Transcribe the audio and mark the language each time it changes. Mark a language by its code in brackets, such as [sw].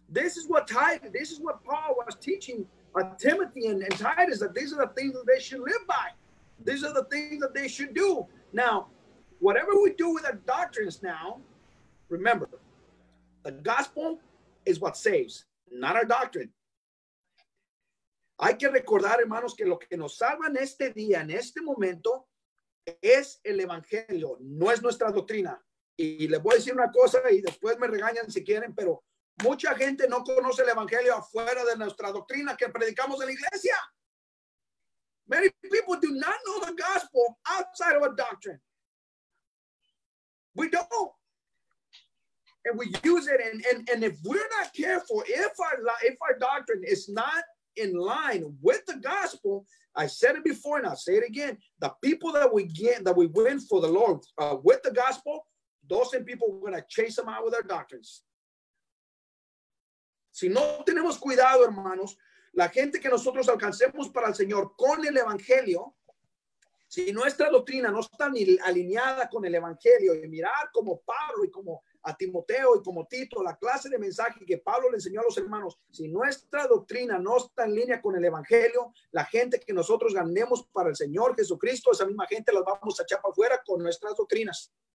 [en] This is what Paul was teaching Timothy and Titus, that these are the things that they should live by. These are the things that they should do. Now, whatever we do with our doctrines now, remember, the gospel is what saves, not our doctrine. [es] Hay que recordar, hermanos, que lo que nos salva en este día, en este momento, es el evangelio, no es nuestra doctrina. Y les voy a decir una cosa y después me regañan si quieren, pero mucha gente no conoce el evangelio afuera de nuestra doctrina que predicamos en la iglesia. [en] Many people do not know the gospel outside of a doctrine. We don't. And we use it, and if we're not careful, if our doctrine is not in line with the gospel, I said it before and I'll say it again, the people that we win for the Lord with the gospel, those same people, we're going to chase them out with our doctrines. [es] Si no tenemos cuidado, hermanos, la gente que nosotros alcancemos para el Señor con el evangelio, si nuestra doctrina no está ni alineada con el evangelio, y mirar como Pablo y como a Timoteo y como Tito, la clase de mensaje que Pablo le enseñó a los hermanos, si nuestra doctrina no está en línea con el evangelio, la gente que nosotros ganemos para el Señor Jesucristo, esa misma gente las vamos a echar para afuera con nuestras doctrinas.